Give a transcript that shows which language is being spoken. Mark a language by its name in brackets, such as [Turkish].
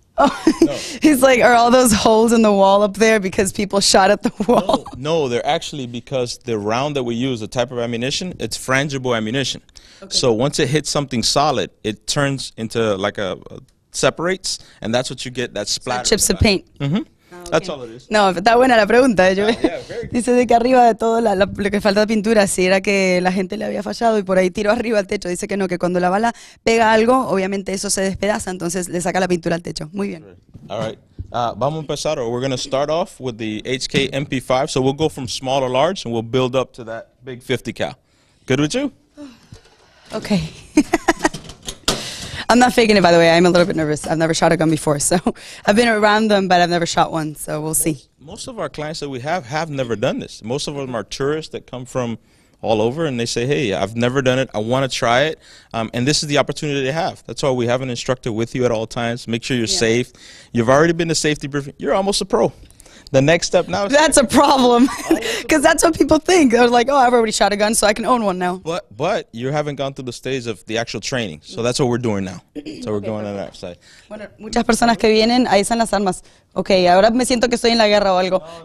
[English] Oh, no. He's like, are all those holes in the wall up there because people shot at the wall? No, they're actually because the round that we use, the type of ammunition, it's frangible ammunition. Okay. So once it hits something solid, it turns into like a separates, and that's what you get, that splatter. So chips of paint. Mm-hmm. Oh, okay. That's all it is. [Spanish] No, está buena la pregunta. Yo [English] yeah, [Spanish] dice que arriba de todo lo que falta pintura, si era que la gente le había fallado y por ahí tiró arriba al techo. Dice que no, que cuando la bala pega algo, obviamente eso se despedaza, entonces le saca la pintura al techo. Muy bien. [English] All right. [Spanish] Vamos a empezar, [English] or we're going to start off with the HK MP5. So we'll go from small to large, and we'll build up to that big 50 cal. Good with you? Okay. I'm not faking it, by the way. I'm a little bit nervous. I've never shot a gun before, so I've been around them, but I've never shot one, so we'll see. Most of our clients that we have never done this. Most of them are tourists that come from all over, and they say, hey, I've never done it. I want to try it, and this is the opportunity they have. That's why we have an instructor with you at all times. Make sure you're safe. You've already been to safety briefing. You're almost a pro. The next step now is... That's a problem, because that's what people think. They're like, oh, I've already shot a gun, so I can own one now. But you haven't gone through the stage of the actual training, so that's what we're doing now. So we're okay, going on that side. [Spanish] Bueno, muchas personas que vienen, ahí están las armas. Okay, ahora me siento que estoy en la guerra o algo.